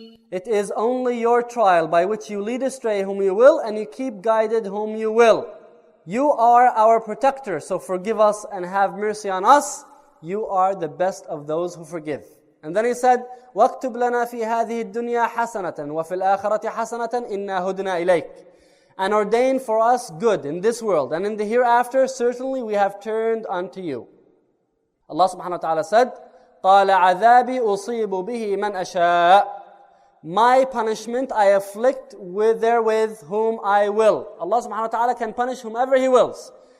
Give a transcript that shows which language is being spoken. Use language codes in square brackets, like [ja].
[en] It is only your trial by which you lead astray whom you will and you keep guided whom you will. You are our protector, so forgive us and have mercy on us. You are the best of those who forgive. And then he said, [ar] وَاكْتُبْ لَنَا فِي هَذِهِ الدُّنْيَا حَسَنَةً وَفِي الْآخِرَةِ حَسَنَةً إِنَّا هُدْنَا إِلَيْكَ. [en] And ordain for us good in this world and in the hereafter, certainly we have turned unto you. Allah subhanahu wa ta'ala said, [ar] قَالَ عَذَابِي أُصِيبُ بِهِ مَنْ أَشَاءُ. [en] My punishment I afflict with therewith whom I will. Allah subhanahu wa ta'ala can punish whomever He wills.